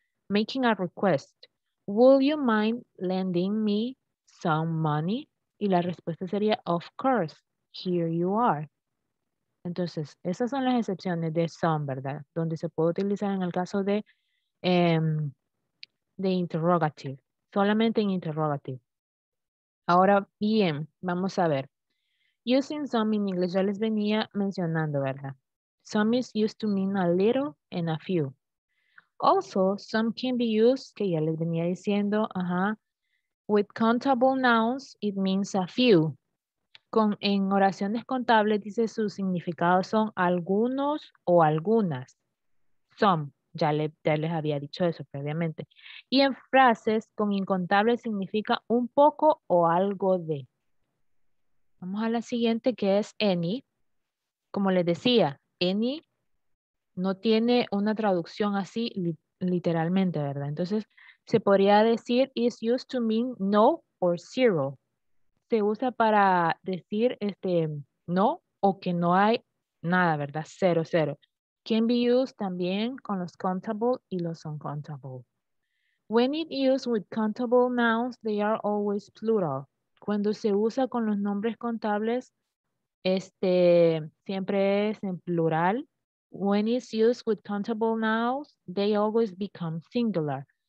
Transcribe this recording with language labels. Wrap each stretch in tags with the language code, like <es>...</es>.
<en>Making a request, would you mind lending me some money?</en> <es>Y la respuesta sería,</es> <en>of course, here you are.</en> <es>Entonces, esas son las excepciones de some, ¿verdad? Donde se puede utilizar en el caso de interrogative. Solamente en interrogative. Ahora bien, vamos a ver.</es> <en>Using some in English,</en> <es>ya les venía mencionando, ¿verdad?</es> <en>Some is used to mean a little and a few. Also, some can be used,</en> <es>que ya les venía diciendo,</es> <en>with countable nouns, it means a few.</en> <es>En oraciones contables, dice, sus significados son algunos o algunas. Some. Ya les había dicho eso previamente. Y en frases, con incontable significa un poco o algo de. Vamos a la siguiente, que es any. Como les decía, any no tiene una traducción así literalmente, ¿verdad? Entonces, se podría decir</es> <en>is used to mean no or zero.</en> <es>Se usa para decir no o que no hay nada, ¿verdad? Cero, cero.</es> <en>Can be used</en> <es>también con los</es> <en>countable</en> <es>y los</es> <en>uncountable. When it used with countable nouns, they are always plural.</en> <es>Cuando se usa con los nombres contables, siempre es en plural.</es> <en>When it's used with countable nouns, they always become singular.</en>